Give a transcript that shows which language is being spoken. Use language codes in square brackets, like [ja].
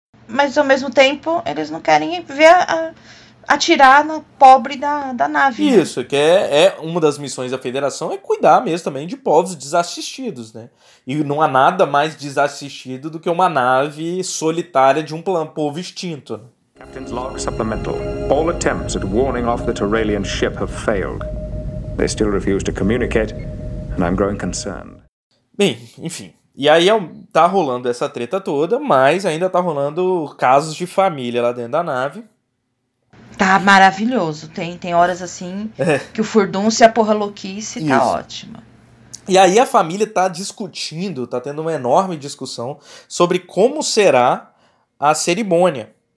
[pt] Mas, ao mesmo tempo, eles não querem ver atirar no pobre da nave. Isso, né? Que é uma das missões da Federação é cuidar mesmo também de povos desassistidos, né? E não há nada mais desassistido do que uma nave solitária de um povo extinto, né? [en] Captain's log supplemental. All attempts at warning off the Turalian ship have failed. They still refuse to communicate, and I'm growing concerned. [pt] Bem, enfim. E aí tá rolando essa treta toda, mas ainda tá rolando casos de família lá dentro da nave. Tá maravilhoso. Tem horas assim que o furdunço e a porra louquice tá ótima. E aí a família tá discutindo, tá tendo uma enorme discussão sobre como será a cerimônia.